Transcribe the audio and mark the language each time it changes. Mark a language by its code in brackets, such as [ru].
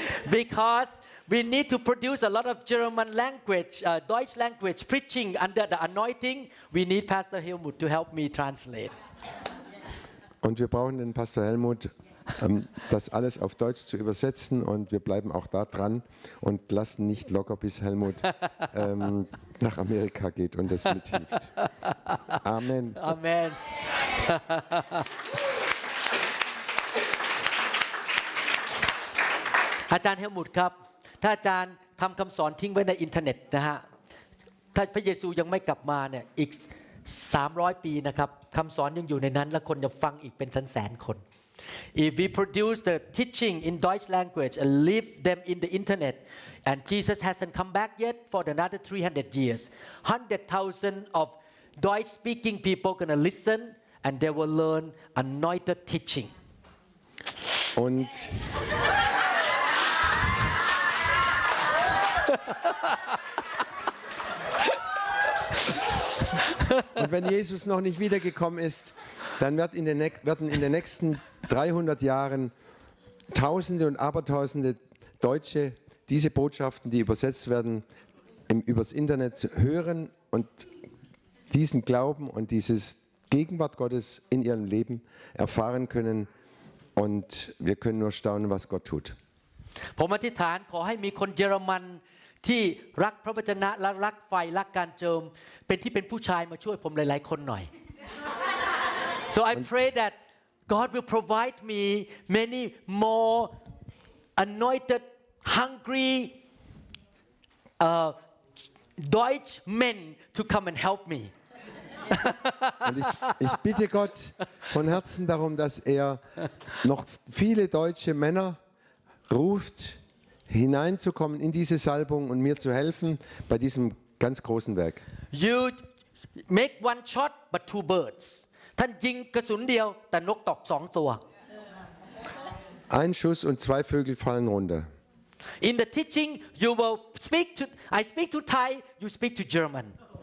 [en] Because we need to produce a lot of German language, Deutsch language preaching under the anointing. We need Pastor Helmut to help me translate. [de] Und wir brauchen den Pastor Helmut, das alles auf Deutsch zu übersetzen. Und wir bleiben auch da dran und lassen nicht locker, bis Helmut nach Amerika geht und das mithilft. Amen. Amen. [th] อาจารย์ Helmut ครับถ้าอาจารย์ทำคำสอนทิ้งไว้ในอินเทอร์เน็ตนะฮะถ้าพระเยซูยังไม่กลับมาเนี่ยอีก300ปีนะครับคำสอนยังอยู่ในนั้นและคนจะฟังอีกเป็นแสนๆคน [en] If we produce the teaching in Deutsch language and leave them in the internet and Jesus hasn't come back yet for another 300 years 100,000 of Deutsch speaking people gonna listen and they will learn anointed teaching [de] undUnd wenn Jesus noch nicht wiedergekommen ist, dann werden in den nächsten 300 Jahren Tausende und Abertausende Deutsche diese Botschaften, die übersetzt werden, übers Internet hören und diesen Glauben und dieses Gegenwart Gottes in ihrem Leben erfahren können. Und wir können nur staunen, was Gott tut. Ich möchte sagen, dass ich mich in Deutschland [th] ที่รักพระวจนะและรักไฟรักการเจิมเป็นที่เป็นผู้ชายมาช่วยผมหลายๆคนหน่อย [en] So I pray that God will provide me many more anointed, hungry, Deutsch men to come and help me. [de] Und ich bitte Gott von Herzen darum, dass noch viele deutsche Männer ruft, hineinzukommen in diese Salbung und mir zu helfen bei diesem ganz großen Werk. [en] You make one shot, but two birds. [th] ท่านยิงกระสุนเดียวแต่นกตอก2ตัว [de] Ein Schuss und zwei Vögel fallen runter. [en] In the teaching you will speak to I speak to Thai, you speak to German.